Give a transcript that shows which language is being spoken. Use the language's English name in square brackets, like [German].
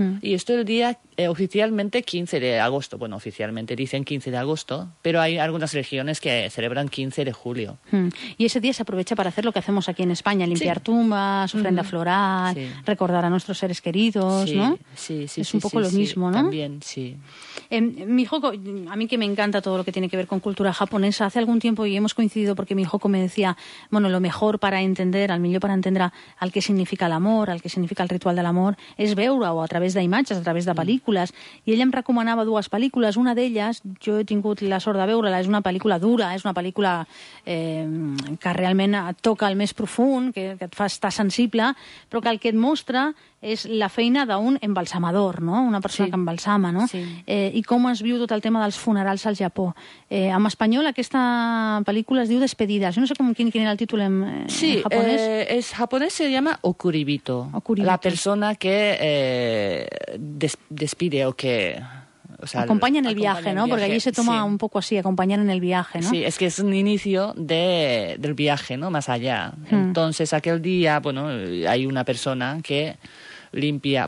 [Spanish] Y esto el día oficialmente 15 de agosto. Bueno, oficialmente dicen 15 de agosto, pero hay algunas regiones que celebran 15 de julio. Y ese día se aprovecha para hacer lo que hacemos aquí en España, limpiar tumbas, ofrenda floral, recordar a nuestros seres queridos, ¿no? Sí, es un poco lo mismo, ¿no? También, sí. [Catalan] Mihoko, [Spanish] a mí que me encanta todo lo que tiene que ver con cultura japonesa, hace algún tiempo y hemos coincidido porque Mihoko me decía, bueno, lo mejor para entender, al mejor para entender al qué significa el amor, al qué significa el ritual del amor, [Catalan] es veure-ho a través de imatges, a través de pel·lícules, i ella em recomanava dues pel·lícules, una d'elles, jo he tingut la sort de veure-la, és una pel·lícula dura, és una pel·lícula que realment et toca el més profund, que et fa estar sensible, però que el que et mostra és la feina d'un embalsamador, no? [Spanish] Una persona que embalsama, no? Sí. [Catalan] I com es viu tot el tema dels funerals al Japó. En espanyol aquesta pel·lícula es diu Despedidas. Jo no sé quin era el títol en japonès. [Spanish] En japonès se llama Okuribito. Okuribito. La persona que despide o que... O sea, acompañan el viaje, ¿no? Porque allí se toma un poco así, acompañan en el viaje, ¿no? Sí, es que es un inicio del viaje, ¿no? Más allá. Entonces, aquel día, bueno, hay una persona que limpia.